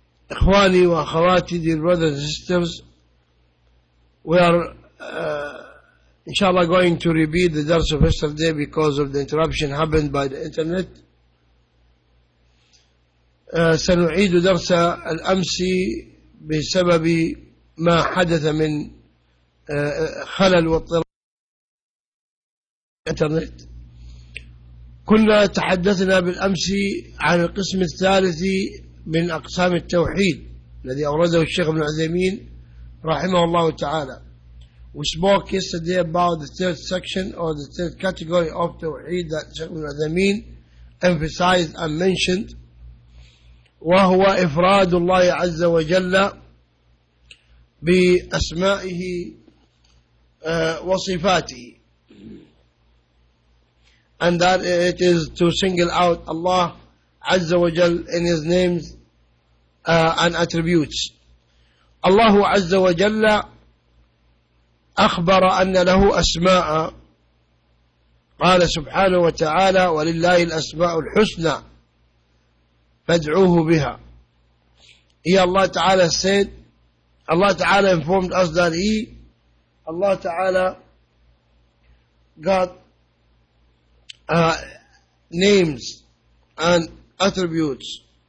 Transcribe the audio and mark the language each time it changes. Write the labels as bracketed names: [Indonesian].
[Arabic] إخواني وأخواتي، [English] dear brothers and sisters, we are inshallah going to repeat the درس of yesterday because of the interruption happened by the internet. [Arabic] سنعيد درس الأمس بسبب ما حدث من خلل واضطراب الانترنت. كنا تحدثنا بالأمس عن القسم الثالث من أقسام التوحيد الذي أورده الشيخ ابن عثيمين رحمه الله تعالى. [English] We spoke yesterday about the third section or the third category of توحيد that الشيخ ابن عثيمين emphasized and mentioned, [Arabic] وهو إفراد الله عز وجل بأسمائه وصفاته. [English] And that it is to single out Allah عز وجل in his names and attributes. [Arabic] الله عز وجل أخبر أن له أسماء، قال سبحانه وتعالى: ولله الأسماء الحسنى فادعوه بها. هي الله تعالى [English] said, Allah Ta'ala informed us that He, Allah Ta'ala, got names and attributes.